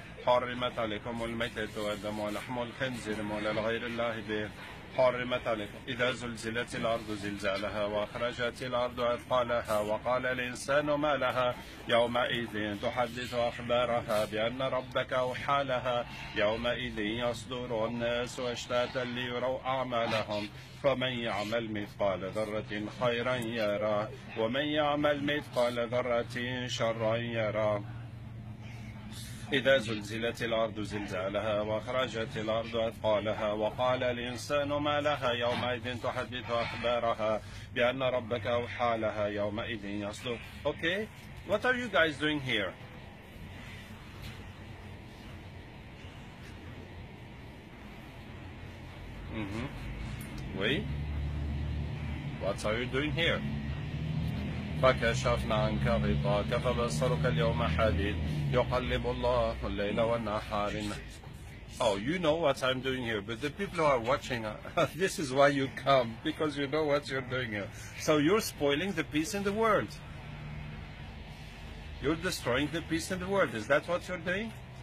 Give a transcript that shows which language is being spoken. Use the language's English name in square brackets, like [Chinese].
[Arabic] حرمت عليكم الميتة والدم ولحم الخنزير مهلا لغير الله به حرمت عليكم إذا زلزلت الأرض زلزالها وأخرجت الأرض أثقالها وقال الإنسان ما لها يومئذ تحدث أخبارها بأن ربك أوحى لها يومئذ يصدر الناس أشتاتا ليروا أعمالهم فمن يعمل مثقال ذرة خيرا يرى ومن يعمل مثقال ذرة شرا يرى إذا زلزلت الأرض زلزالها وأخرجت الأرض أثقالها وقال الإنسان ما لها يومئذ تحدث أخبارها بأن ربك أوحى لها يومئذ يصدر. [English] Okay, what are you guys doing here? What are you doing here? [Arabic] فكشفنا عنك غطاك فبصرك اليوم حديد يقلب الله الليل والنهار. [English] Oh, you know what I'm doing here, but the people who are watching, this is why you come, because you know what you're doing here. So you're spoiling the peace in the world. You're destroying the peace in the world. Is that what you're doing?